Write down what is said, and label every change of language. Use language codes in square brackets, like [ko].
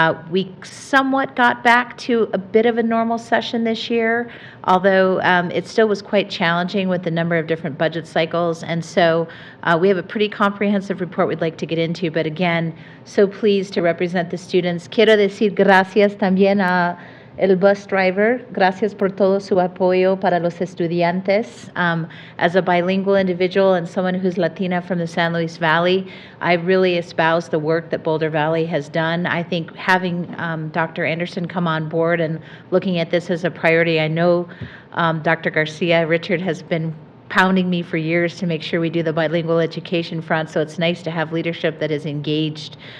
[en] We somewhat got back to a bit of a normal session this year, although it still was quite challenging with the number of different budget cycles. And so we have a pretty comprehensive report we'd like to get into. But again, so pleased to represent the students. [es] Quiero decir gracias también a el bus driver. Gracias por todo su apoyo para los estudiantes. [en] As a bilingual individual and someone who's Latina from the San Luis Valley, I really espouse the work that Boulder Valley has done. I think having Dr. Anderson come on board and looking at this as a priority, I know Dr. Garcia, Richard has been pounding me for years to make sure we do the bilingual education front, so it's nice to have leadership that is engaged.